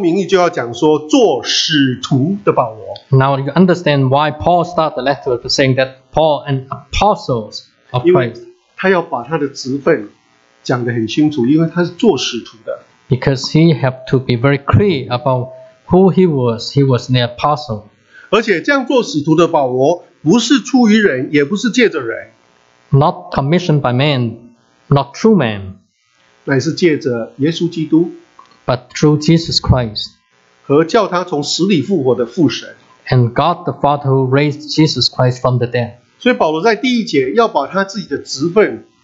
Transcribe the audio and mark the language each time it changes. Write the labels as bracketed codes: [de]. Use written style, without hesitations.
[zh] 你看为什么保罗一开宗明义就要讲说做使徒的保罗。 [en] Now you understand why Paul started the letter to saying that Paul an apostle of Christ. [zh] 因为他要把他的职分讲得很清楚, 因为他是做使徒的。 [en] Because he had to be very clear about who he was an apostle. [zh] 而且这样做使徒的保罗, 不是出于人, 也不是借着人, [en] not commissioned by man, not through man, [zh] 乃是借着耶稣基督, [en] but through Jesus Christ, [zh] 和叫他从死里复活的父神, [en] and God the Father who raised Jesus Christ from the dead. [zh] 所以保罗在第一节要把他自己的职分,